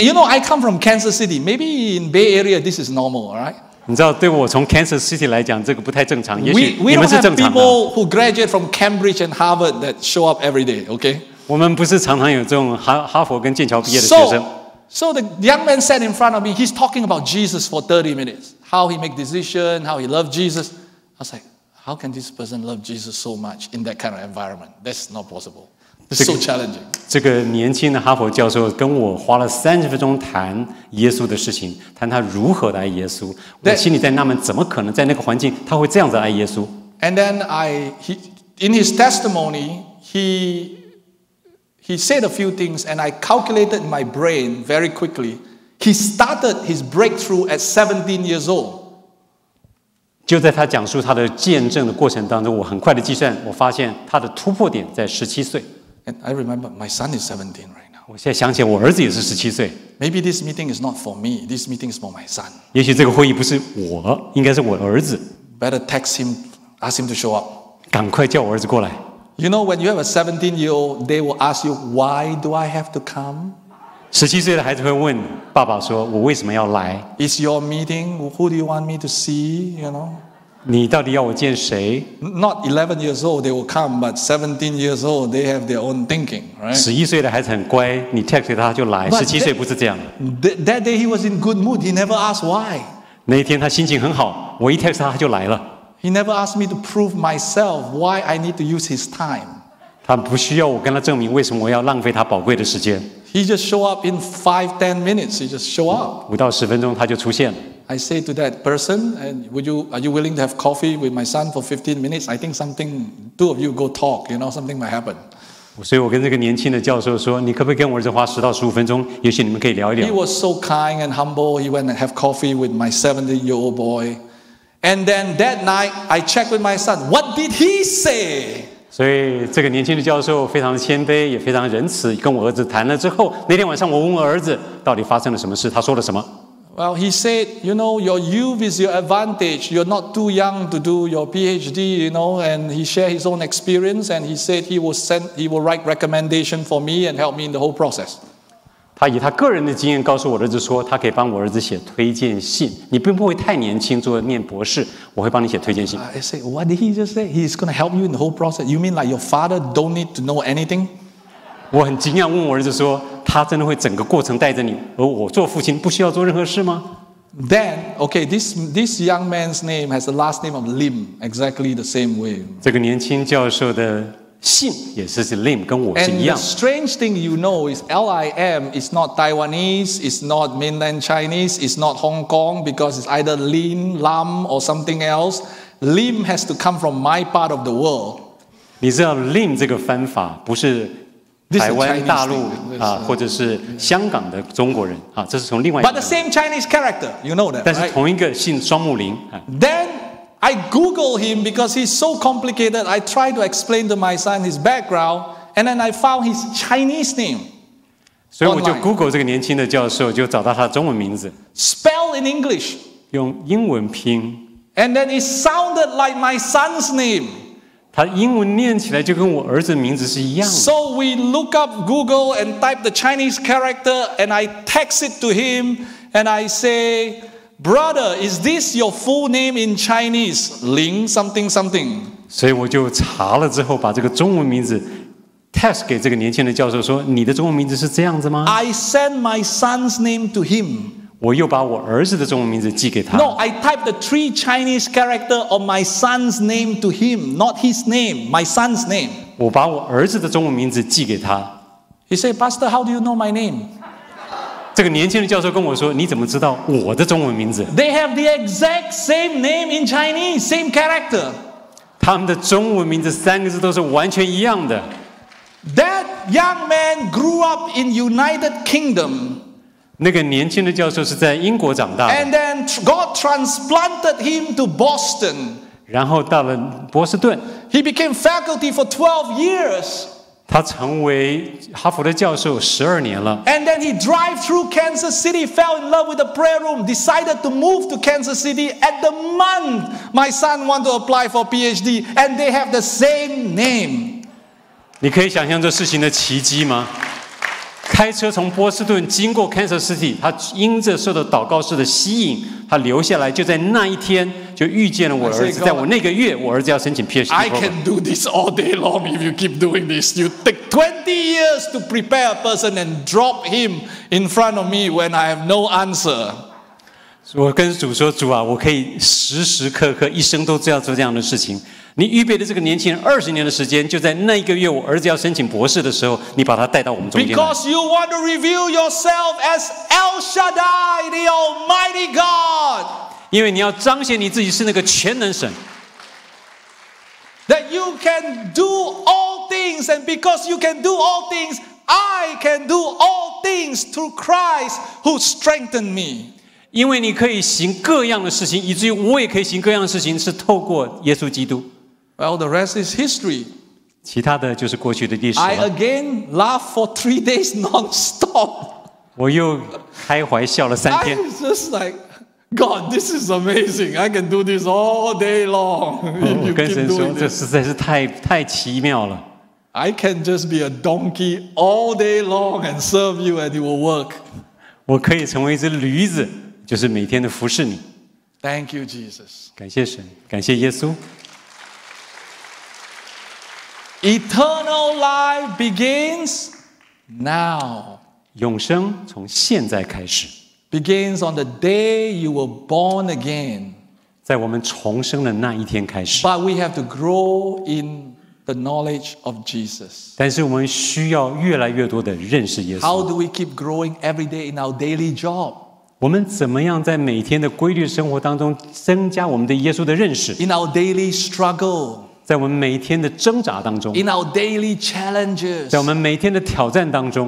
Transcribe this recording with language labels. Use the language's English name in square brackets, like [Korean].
[English] ？You know, I come from Kansas City. Maybe in Bay Area, this is normal, right? [Chinese] 你知道，对我从 Kansas City 来讲，这个不太正常。也许你们是正常的。 [English] We don't have people who graduate from Cambridge and Harvard that show up every day, okay? [Chinese] 我们不是常常有这种哈佛跟剑桥毕业的学生。 [English] So, So the young man sat in front of me. He's talking about Jesus for 30 minutes. How he make decision, how he loved Jesus. I was like, how can this person love Jesus so much in that kind of environment? That's not possible. It's so challenging. [Chinese] 这个年轻的哈佛教授跟我花了30分钟谈耶稣的事情，谈他如何来耶稣。我心里在纳闷，怎么可能在那个环境他会这样子爱耶稣？ [English] And then in his testimony, he said a few things, and I calculated in my brain very quickly. He started his breakthrough at 17 years old. [Chinese] 就在他讲述他的见证的过程当中，我很快的计算，我发现他的突破点在17岁。 [English] And I remember my son is 17 right now. [Chinese] 我现在想起我儿子也是17岁。 [English] Maybe this meeting is not for me. This meeting is for my son. [Chinese] 也许这个会议不是我，应该是我儿子。 [English] Better text him, ask him to show up. [Chinese] 赶快叫我儿子过来。 [English] You know, when you have a 17-year-old, they will ask you, why do I have to come? [Chinese] 17岁的孩子会问爸爸说，我为什么要来？ [English] Is your meeting? Who do you want me to see? You know? [Chinese] 你到底要我见谁？ [English] Not 11 years old, they will come, but 17 years old, they have their own thinking, right? [Chinese] 11岁的孩子很乖，你 text 他就来。17岁不是这样。 [English] That day he was in good mood, he never asked why. [Chinese] 那一天他心情很好，我一 text 他就来了。 [English] He never asked me to prove myself why I need to use his time. [Chinese] 他不需要我跟他证明为什么我要浪费他宝贵的时间。 [English] He just show up in 5-10 minutes. He just show up. [Chinese] 五到十分钟他就出现。 [English] I say to that person, and are you willing to have coffee with my son for 15 minutes? I think something, two of you go talk, you know, something might happen. [Chinese] 所以我跟这个年轻的教授说，你可不可以跟我儿子花10-15分钟？也许你们可以聊一聊。 [English] He was so kind and humble. He went and have coffee with my 17-year-old boy. And then that night, I checked with my son. What did he say? [Chinese] 所以这个年轻的教授非常谦卑，也非常仁慈。跟我儿子谈了之后，那天晚上我问我儿子到底发生了什么事，他说了什么 [English] ？Well, he said, you know, your youth is your advantage. You're not too young to do your PhD, you know. And he shared his own experience, and he said he will write recommendation for me and help me in the whole process. [Chinese] 他以他个人的经验告诉我儿子说，他可以帮我儿子写推荐信。你并不会太年轻做念博士，我会帮你写推荐信。 [English] I say, what did he just say? He's going to help you in the whole process. You mean like your father don't need to know anything? [Chinese] 我很惊讶，问我儿子说，他真的会整个过程带着你，而我做父亲不需要做任何事吗 [English] ？Then, okay, this young man's name has the last name of Lim, exactly the same way. [Chinese] 这个年轻教授的。姓也是是 Lim， 跟我是一样。 [English] And the strange thing you know is Lim is not Taiwanese, it's not mainland Chinese, it's not Hong Kong because it's either Lin, Lam or something else. Lim has to come from my part of the world. [Chinese] 你知道 Lim 这个翻法不是台湾大陆啊，或者是香港的中国人啊，这是从另外。 [English] But the same Chinese character, you know that. [Chinese] 但是同一个姓双木林。 [English] Then. I Google him because he's so complicated. I try to explain to my son his background, and then I found his Chinese name. [Chinese] 所以我就 Google 这个年轻的教授，就找到他的中文名字。 [English] Spell in English. [Chinese] 用英文拼。 [English] And then it sounded like my son's name. [Chinese] 他英文念起来就跟我儿子的名字是一样的。 [English] So we look up Google and type the Chinese character, and I text it to him, and I say. Brother, is this your full name in Chinese? Ling something something. [Chinese] 所以我就查了之后，把这个中文名字 text 给这个年轻的教授说，你的中文名字是这样子吗 [English] ？I send my son's name to him. [Chinese] 我又把我儿子的中文名字寄给他。 [English] No, I type the 3 Chinese character of my son's name to him, not his name, my son's name. [Chinese] 我把我儿子的中文名字寄给他。 [English] He said, Pastor, how do you know my name? [Chinese] 这个年轻的教授跟我说：“你怎么知道我的中文名字 [English] ？”They have the exact same name in Chinese, same character. [Chinese] 他们的中文名字三个字都是完全一样的。 [English] That young man grew up in United Kingdom. [Chinese] 那个年轻的教授是在英国长大的。 [English] And then God transplanted him to Boston. [Chinese] 然后到了波士顿。 [English] He became faculty for 12 years. [Chinese] 他成为哈佛的教授12年了。 [English] And then he drive through Kansas City, fell in love with the prayer room, decided to move to Kansas City at the month my son want to apply for PhD, and they have the same name. [Chinese] 你可以想象这事情的奇迹吗？开车从波士顿经过 Kansas City， 他因着受到祷告式的吸引，他留下来，就在那一天就遇见了我儿子，在我那个月，我儿子要申请 PhD program. [English] I can do this all day long if you keep doing this. You take 20 years to prepare a person and drop him in front of me when I have no answer. [Chinese] 我跟主说，主啊，我可以时时刻刻一生都要做这样的事情。你预备的这个年轻人二十年的时间，就在那一个月，我儿子要申请博士的时候，你把他带到我们中间 [English] Because you want to reveal yourself as El Shaddai, the Almighty God. [Chinese] 因为你要彰显你自己是那个全能神。 [English] That you can do all things, and because you can do all things, I can do all things through Christ who strengthened me. [Chinese] 因为你可以行各样的事情，以至于我也可以行各样的事情，是透过耶稣基督。 [English] Well, the rest is history. [Chinese] 其他的就是过去的历史了。 [English] I again laugh for 3 days non-stop. [Chinese] 我又开怀笑了三天。 [English] I'm just like, God, this is amazing. I can do this all day long. [Chinese] 我跟神说，这实在是太奇妙了。 [English] I can just be a donkey all day long and serve you, and it will work. [Chinese] 我可以成为一只驴子。就是每天的服侍你。 [English] Thank you, Jesus. [Chinese] 感谢神，感谢耶稣。 [English] Eternal life begins now. [Chinese] 永生从现在开始。 [English] Begins on the day you were born again. [Chinese] 在我们重生的那一天开始。 [English] But we have to grow in the knowledge of Jesus. [Chinese] 但是我们需要越来越多的认识耶稣。 [English] How do we keep growing every day in our daily job? [Chinese] 我们怎么样在每天的规律生活当中增加我们对耶稣的认识 [English] ？In our daily struggle， [Chinese] 在我们每天的挣扎当中 [English] ；In our daily challenges， [Chinese] 在我们每天的挑战当中